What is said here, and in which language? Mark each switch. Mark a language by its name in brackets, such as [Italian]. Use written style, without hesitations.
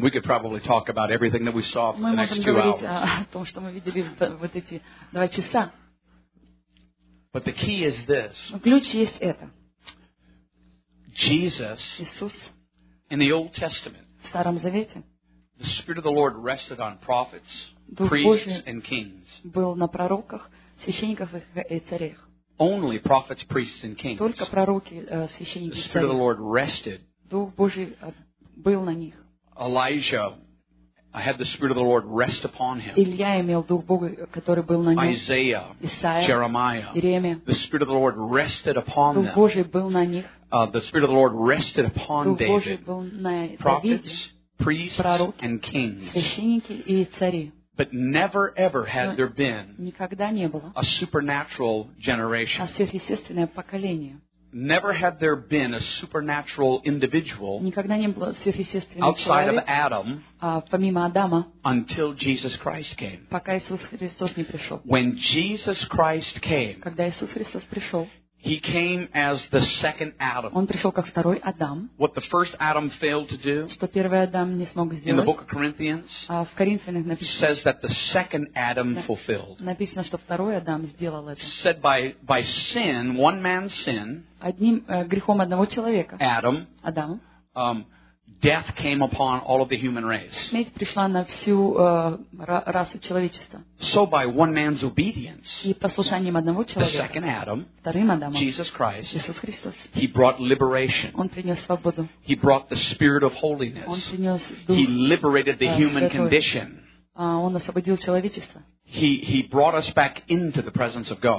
[English] We could probably talk about everything that we saw for the next 2 hours. [Russian] Мы можем говорить о том, что мы видели вот эти 2 часа. [English] But the key is this. [Russian] Ключ есть это. [English] Jesus. Иисус. In the Old Testament. [Russian] В Старом Завете. [English] The Spirit of the Lord rested on prophets, priests, and kings. [Russian] Был на пророках, священниках и царях. [English] Only prophets, priests, and kings. [Russian] Только пророки, священники и цари. [English] The Spirit of the Lord rested. [Russian] Дух Божий был на них. [English] Elijah, I had the Spirit of the Lord rest upon him. [Russian] Илия имел дух Бога, который был на нем. [English] Isaiah, [Russian] Исаия, [English] Jeremiah, [Russian] Иеремия. [English] The Spirit of the Lord rested upon them. [Russian] Дух Божий был на них. [English] The Spirit of the Lord rested upon [Russian] Дух [English] David. [Russian] Божий был на [English] Prophets, [Russian] Давиде, [English] priests, [Russian] пророки, [English] and kings. [Russian] Священники и цари. [English] But never ever had there been a supernatural generation. [Russian] А сверхъестественное поколение. [English] Never had there been a supernatural individual outside of Adam, [Russian] помимо Адама, [English] until Jesus Christ came. [Russian] Пока Иисус Христос не пришел. [English] When Jesus Christ came, [Russian] когда Иисус Христос пришел, [English] he came as the second Adam. [Russian] Он пришел как второй Адам. [English] What the first Adam failed to do, [Russian] что первый Адам не смог сделать, [English] in the book of Corinthians, [Russian] в Коринфянах написано, [English] says that the second Adam fulfilled. [Russian] Написано, что второй Адам сделал это. [English] Said by sin, one man's sin, [Russian] одним грехом одного человека, [English] Adam, [Russian] Адам, [English] death came upon all of the human race. [Russian] Смерть пришла на всю расу человечества. [English] So by one man's obedience, [Russian] и послушанием одного человека, [English] the second Adam, [Russian] вторым Адамом, [English] Jesus Christ, [Russian] Иисус Христос, [English] he brought liberation. [Russian] Он принес свободу. [English] He brought the Spirit of holiness. [Russian] Он принес дух. [English] He liberated the human condition. [Russian] Он освободил человечество. [English] He brought us back into the presence of God.